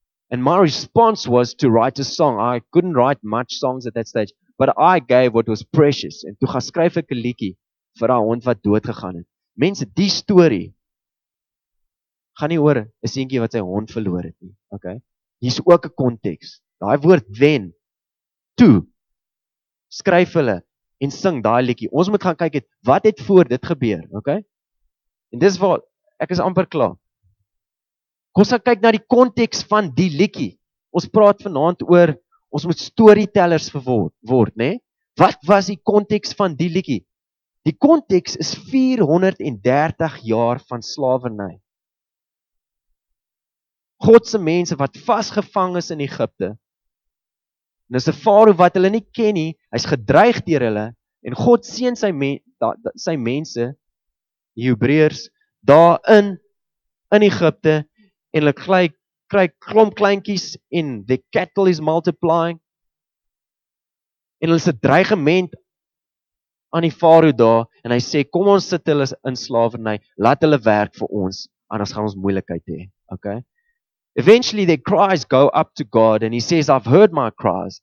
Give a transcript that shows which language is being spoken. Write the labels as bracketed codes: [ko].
[en] And my response was to write a song. I couldn't write much songs at that stage, but I gave what was precious. [af] En toe gaan skryf ek 'n liedjie vir daai hond wat dood gegaan het. Mense, die storie gaan nie oor 'n seentjie wat sy hond verloor het nie. Okay? Hier is ook 'n konteks. Daai woord wen. Toe skryf hulle en sing daai liedjie. Ons moet gaan kyk wat het voor dit gebeur, okay? En dis waar ek is amper klaar. Kom ons kyk na die konteks van die liedjie. Ons praat vanaand oor ons moet storytellers word, né? Wat was die konteks van die liedjie? Die konteks is 430 jaar van slawerny. God se mense wat vasgevang is in Egipte. En is 'n farao wat hulle nie ken nie. Hy's gedreig deur hulle en God seën sy mense, die Hebreërs, daarin in Egipte en hulle kry klomp kleintjies en [en] the cattle is multiplying. [af] En hulle se dreigement aan die farao daar en hy sê kom ons sit hulle in slawerny, laat hulle werk vir ons, anders gaan ons moeilikheid hê. Okay? [en] Eventually their cries go up to God and he says, I've heard my cries.